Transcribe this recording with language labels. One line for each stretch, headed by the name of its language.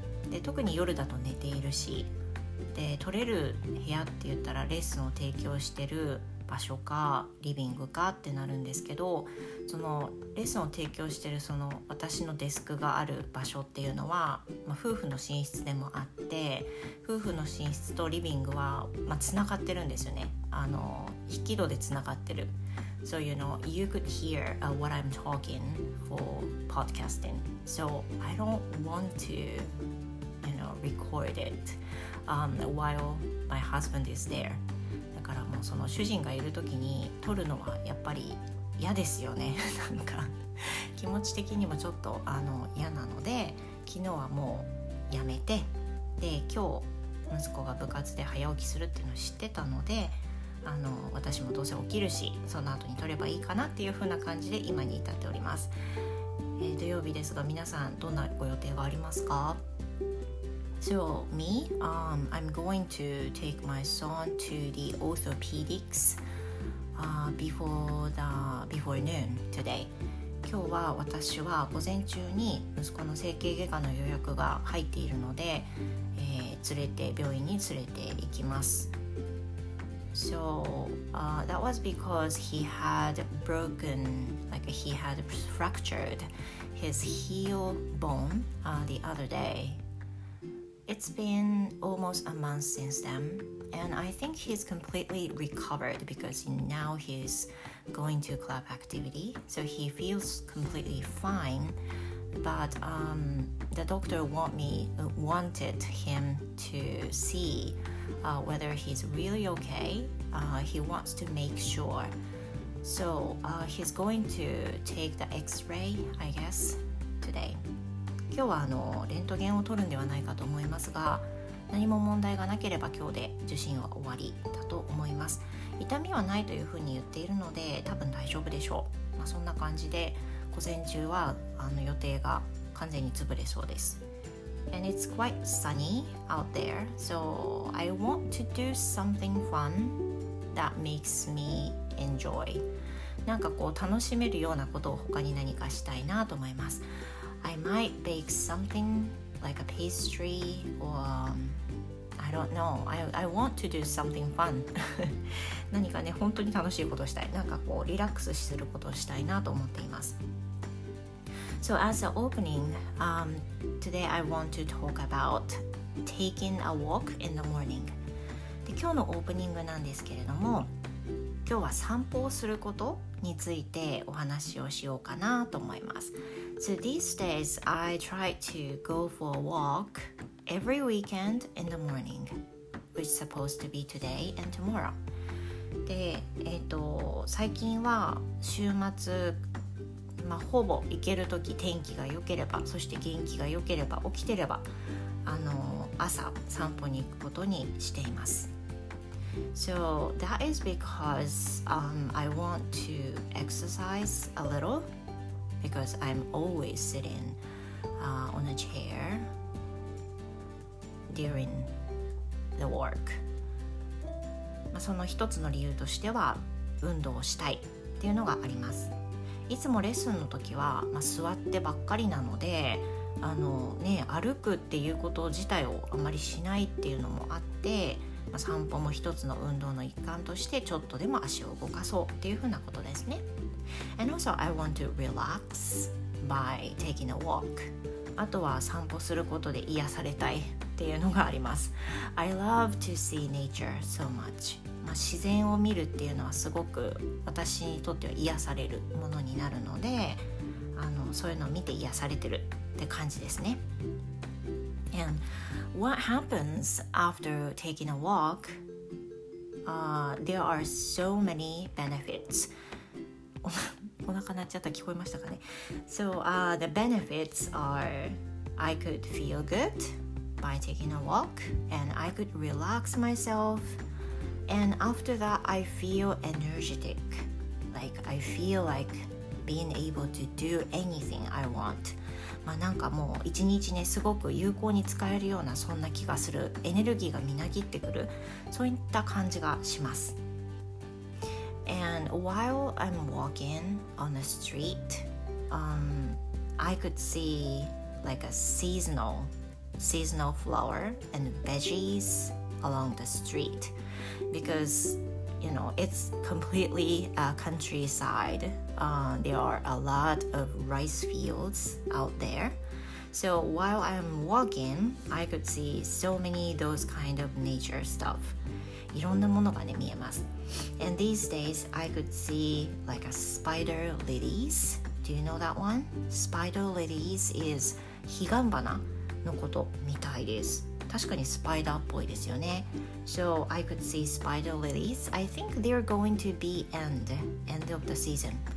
Japanese: で、特に夜だと寝ているし、で、撮れる部屋って言ったらレッスンを提供してる場所かリビングかってなるんですけど、そのレッスンを提供してるその私のデスクがある場所っていうのは、まあ、夫婦の寝室でもあって、夫婦の寝室とリビングは、まあ、繋がってるんですよね。引き戸で繋がってる。
English: So you know you could hear what I'm talking for podcasting. So I don't want to you know record it while my husband is there.
Japanese: その主人がいる時に撮るのはやっぱり嫌ですよね。なんか気持ち的にもちょっと嫌なので、昨日はもうやめて、で今日息子が部活で早起きするっていうのを知ってたので、私もどうせ起きるしその後に撮ればいいかなっていう風な感じで今に至っております。土曜日ですが、皆さんどんなご予定がありますか？
English: So me, I'm going to take my son to the orthopedics before noon today.
Japanese: 今日は私は午前中に息子の整形外科の予約が入っているので、病院に連れて行きます。
English: So that was because he had broken, like he had fractured his heel bone the other day. It's been almost a month since then, and I think he's completely recovered because now he's going to club activity, so he feels completely fine. But the doctor wanted him to see whether he's really okay. He wants to make sure. So he's going to take the X-ray, I guess, today.
Japanese: 今日はレントゲンを撮るんではないかと思いますが、何も問題がなければ今日で受診は終わりだと思います。痛みはないというふうに言っているので多分大丈夫でしょう。まあ、そんな感じで午前中は予定が完全に潰れそうです。
English: And it's quite sunny out there, so I want to do something fun that makes me enjoy.
Japanese: なんかこう楽しめるようなことを他に何かしたいなと思います。
English: I might bake something like a pastry or I don't know. I want to do something fun.
Japanese: 何かね、本当に楽しいことをしたい。なんかこうリラックスすることをしたいなと思っています。
English: So as an opening, today I want to talk about taking a walk in the morning.
Japanese: で、今日のオープニングなんですけれども、今日は散歩をすることについてお話をしようかなと思います。
English: So these days I try to go for a walk every weekend in the morning, which is supposed to be today and tomorrow.
Japanese: で、最近は週末、まあ、ほぼ行けるとき天気が良ければ、そして元気が良ければ、起きてれば、朝散歩に行くことにしています。
English: So that is because I want to exercise a little because I'm always sitting on a chair during the work.
Japanese: まあその一つの理由としては運動をしたいっていうのがあります。いつもレッスンの時は、まあ、座ってばっかりなのでね、歩くっていうこと自体をあまりしないっていうのもあって散歩も一つの運動の一環としてちょっとでも足を動かそうっていうふうなことですね。
English: And also I want to relax by taking a walk.
Japanese: あとは散歩することで癒されたいっていうのがあります。
English: I love to see nature so much.
Japanese: まあ自然を見るっていうのはすごく私にとっては癒されるものになるのでそういうのを見て癒されてるって感じですね。
English: And what happens after taking a walk? There are so many benefits.
Japanese: お腹鳴っちゃった、聞こえましたかね?
English: So the benefits are I could feel good by taking a walk and I could relax myself. And after that, I feel energetic. Like I feel like being able to do anything I want.
Japanese: まあ、なんかもう一日ねすごく有効に使えるようなそんな気がするエネルギーがみなぎってくるそういった感じがします
English: And while I'm walking on the street I could see like a seasonal flower and veggies along the street because you know it's completely a countrysideThere are a lot of rice fields out there. So while I'm walking, I could see so many those kind of nature stuff.
Japanese: いろんなものがね見えます。
English: And these days, I could see like a spider lilies. Do you know that one? Spider lilies is
Japanese: 彼岸花のことみたいです。確かにスパイダーっぽいですよね。
English: So I could see spider lilies. I think they're going to be end of the season.